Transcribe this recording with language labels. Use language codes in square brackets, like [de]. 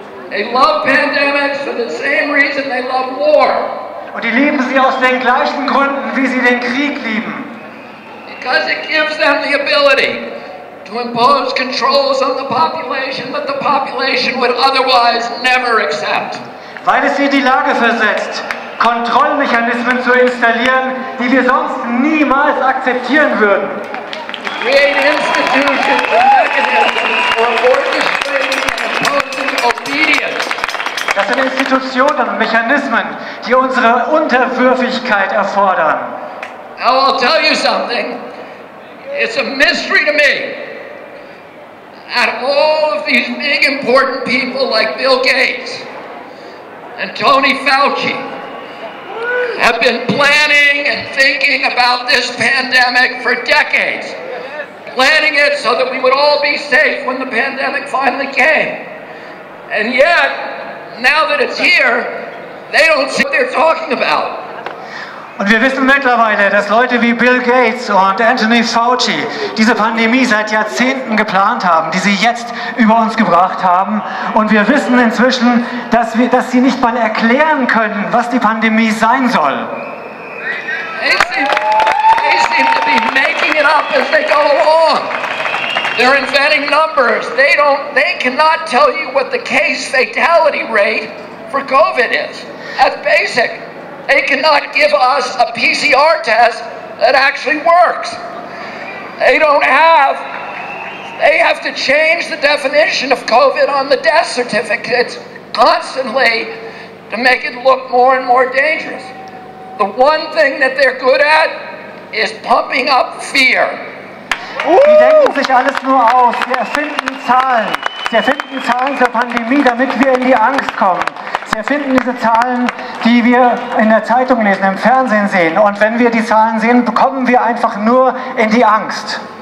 [en] They love pandemics for the same reason they love war. [de] Und die lieben sie aus den gleichen Gründen, wie sie den Krieg lieben. [en] Because it gives them the ability to impose controls on the population that the population would otherwise never accept. [de] Weil es sie in die Lage versetzt, Kontrollmechanismen zu installieren, die wir sonst niemals akzeptieren würden. [en] Create institutions and mechanisms for orchestrating and imposing obedience. [de] Das sind Institutionen und Mechanismen, die unsere Unterwürfigkeit erfordern. [en] Now I'll tell you something. It's a mystery to me that all of these big important people like Bill Gates and Tony Fauci have been planning and thinking about this pandemic for decades. Planning it so that we would all be safe when the pandemic finally came. And yet, now that it's here, they don't see what they're talking about. [de] Und wir wissen mittlerweile, dass Leute wie Bill Gates und Anthony Fauci diese Pandemie seit Jahrzehnten geplant haben, die sie jetzt über uns gebracht haben. Und wir wissen inzwischen, dass sie nicht mal erklären können, was die Pandemie sein soll. [en] They seem to be making it up as they go along. They're inventing numbers. They cannot tell you what the case fatality rate for COVID is. That's basic. They cannot give us a PCR test that actually works. They have to change the definition of COVID on the death certificates constantly to make it look more and more dangerous. The one thing that they're good at is pumping up fear. [de] Sie denken sich alles nur aus. Sie erfinden Zahlen. Sie erfinden Zahlen zur Pandemie, damit wir in die Angst kommen. Sie erfinden diese Zahlen, die wir in der Zeitung lesen, im Fernsehen sehen. Und wenn wir die Zahlen sehen, bekommen wir einfach nur in die Angst.